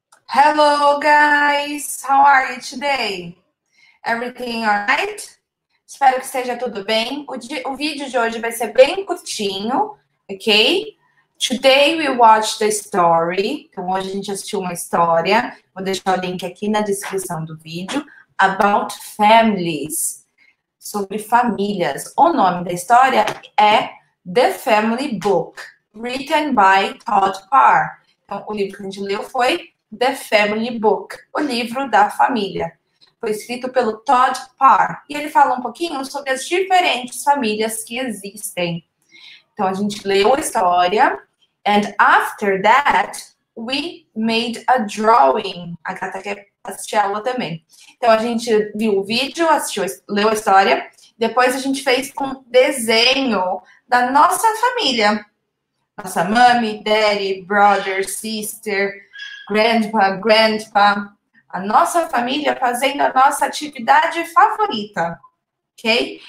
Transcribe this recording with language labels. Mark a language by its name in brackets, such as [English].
[English] Hello guys, how are you today? Everything all right? [Portuguese] Espero que esteja tudo bem. O vídeo de hoje vai ser bem curtinho, ok? [English] Today we watch the story. [Portuguese] Então hoje a gente assistiu uma história. Vou deixar o link aqui na descrição do vídeo. [English] About families, [Portuguese] sobre famílias. O nome da história é The Family Book, [English] written by Todd Parr. [Portuguese] Então o livro que a gente leu foi The Family Book, o livro da família. Foi escrito pelo Todd Parr. E ele fala um pouquinho sobre as diferentes famílias que existem. Então a gente leu a história. [English] And after that, we made a drawing. [Portuguese] A Gata quer assistir aula também. Então a gente viu o vídeo, assistiu, leu a história. Depois a gente fez um desenho da nossa família: nossa mami, [English] daddy, brother, sister, grandpa, grandpa, [Portuguese] a nossa família fazendo a nossa atividade favorita, ok?